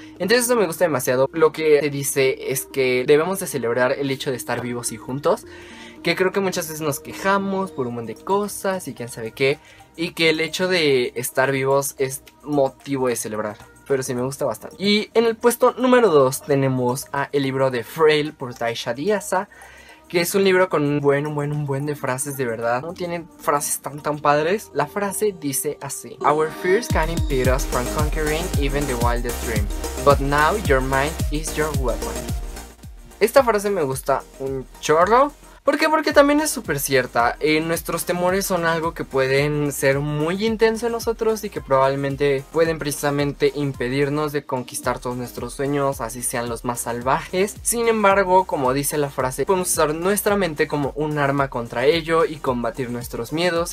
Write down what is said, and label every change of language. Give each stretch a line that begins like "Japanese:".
Spanish: Entonces eso me gusta demasiado. Lo que te dice es que debemos de celebrar el hecho de estar vivos y juntos, que creo que muchas veces nos quejamos por un montón de cosas y quién sabe qué, y que el hecho de estar vivos es motivo de celebrar. Pero sí, me gusta bastante. Y en el puesto número 2 tenemos a el libro de Frail por Taisha Diaza, que es un libro con un buen de frases, de verdad. No tiene frases tan tan padres. La frase dice así:
English: "Our fears can impede us from conquering even the wildest dream, but now your mind is your weapon".
Spanish: Esta frase me gusta un chorro. ¿Por qué? Porque también es súper cierta. Nuestros temores son algo que pueden ser muy intenso en nosotros y que probablemente pueden precisamente impedirnos de conquistar todos nuestros sueños, así sean los más salvajes. Sin embargo, como dice la frase, podemos usar nuestra mente como un arma contra ello y combatir nuestros miedos.